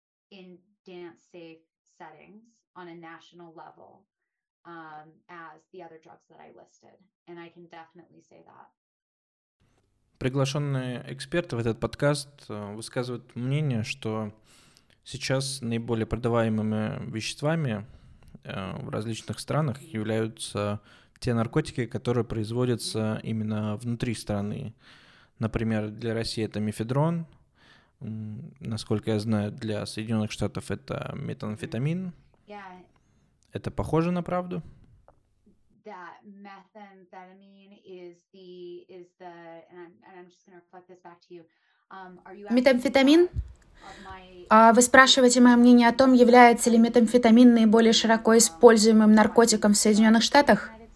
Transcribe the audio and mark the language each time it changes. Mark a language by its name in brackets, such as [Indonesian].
[English] In dance safe settings on a national level, as the other drugs that I listed, and I can definitely say that. [Russian] Приглашенные эксперты в этот подкаст высказывают мнение, что сейчас наиболее продаваемыми веществами в различных странах являются те наркотики, которые производятся именно внутри страны. Например, для России это мефедрон. Насколько я знаю, для Соединенных Штатов это метамфетамин. [English] Yeah. [Russian] Это похоже на правду? [English] That methamphetamine is the and I'm just gonna reflect this back to you. [Russian] Метамфетамин? Вы спрашиваете мое мнение о том, является ли метамфетамин наиболее широко используемым наркотиком в Соединенных Штатах?